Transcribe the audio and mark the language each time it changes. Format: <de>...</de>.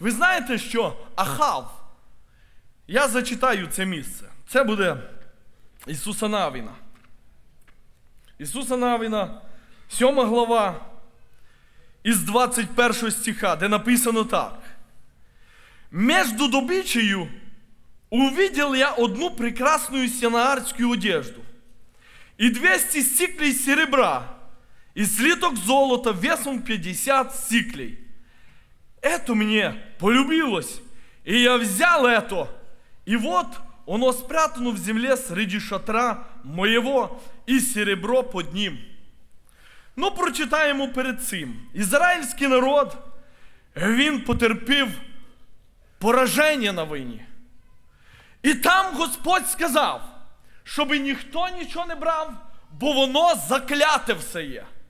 <uk>Ви знаєте, що Ахав, я зачитаю це місце, це буде Ісуса Навіна. Ісуса Навіна, 7 глава, із 21 стиха, де написано так.</uk> <ru>«Між добичею увидел я одну прекрасную сенаарскую одежду, и 200 сиклей серебра, и слиток золота весом 50 сиклей. Это мне полюбилось, и я взял это, и вот оно спрятано в земле среди шатра моего, и серебро под ним».</ru> <uk>Ну, прочитаємо перед цим. Ізраїльський народ, він потерпів пораження на війні. І там Господь сказав, щоб ніхто нічого не брав, бо воно закляте все є.</uk>